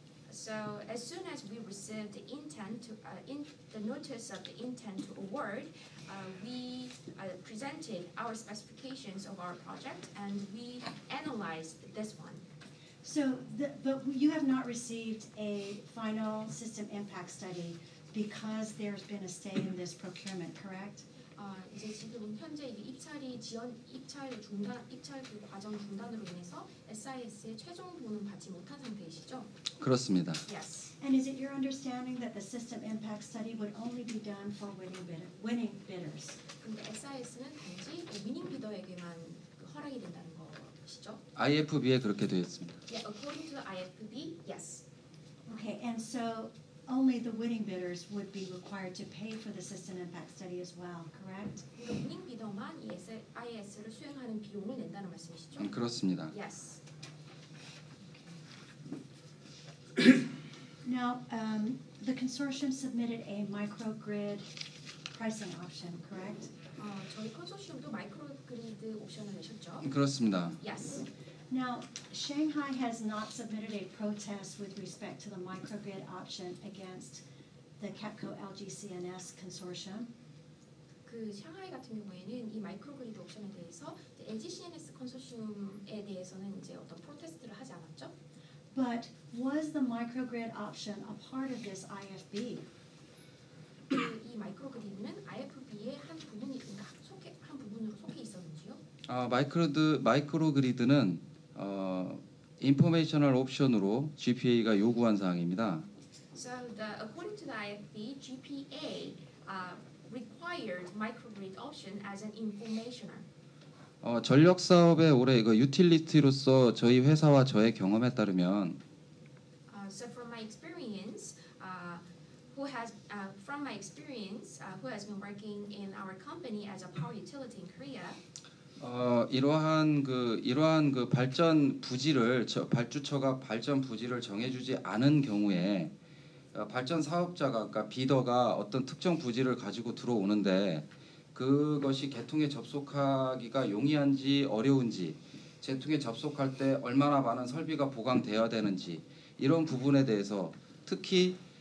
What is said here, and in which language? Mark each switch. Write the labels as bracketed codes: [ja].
[en] So as soon as we received the intent to the notice of the intent to award, we presented our specifications of our project and we analyzed this one. So but you have not received a final system impact study because there's been a stay in this procurement, correct? [ko] 이제 지금 현재 입찰 그 과정 중단으로 인해서 SIS의 최종 보는 받지 못한 상태이시죠? 그렇습니다. [en] Yes. And is it your understanding that the system impact study would only be done for winning bidders? [ko] 근데 SIS는 단지 winning bidder에게만 허락이 된다는 것이죠? IFB에 그렇게 되어 있습니다. [en] Yeah, according to the IFB, yes. Okay, and so only the winning bidders would be required to pay for the system impact study as well, correct? [ko] 그러니까 winning bidder만 ESIS를 수행하는 비용을 낸다는 말씀이시죠? 그렇습니다. [en] Yes. Now, the consortium submitted a microgrid pricing option, correct? [ko] 저희 컨소시엄도 마이크로그리드 옵션을 내셨죠? 그렇습니다. [en] Yes. Now, Shanghai has not submitted a protest with respect to the microgrid option against the KEPCO LGCNS consortium. [ko] 그 샹하이 같은 경우에는 이 마이크로그리드 옵션에 대해서 LGCNS 컨소시엄에 대해서는 이제 어떤 프로테스트를 하지 않았죠? [en] But was the microgrid option a part of this IFB? [ko] 이 마이크로그리드는 IFB의 한 부분인가 속해 한 부분으로 속해 있었는지요? 아 마이크로그리드는 [en] informational option [ko] 으로 GPA가 요구한 사항입니다. [en] So the, according to the IFB, GPA required microgrid option as an informational. [ko] 전력 사업의 올해 이거 유틸리티로서 저희 회사와 저의 경험에 따르면 [en] so from my experience who has been working in our company as a power utility in Korea [ko] 이러한 그 발전 부지를 발주처가 발전 부지를 정해 주지 않은 경우에 발전 사업자가 그러니까 비더가 어떤 특정 부지를 가지고 들어오는데 그것이 개통에 접속하기가 용이한지 어려운지 개통에 접속할 때 얼마나 많은 설비가 보강되어야 되는지 이런 부분에 대해서 특히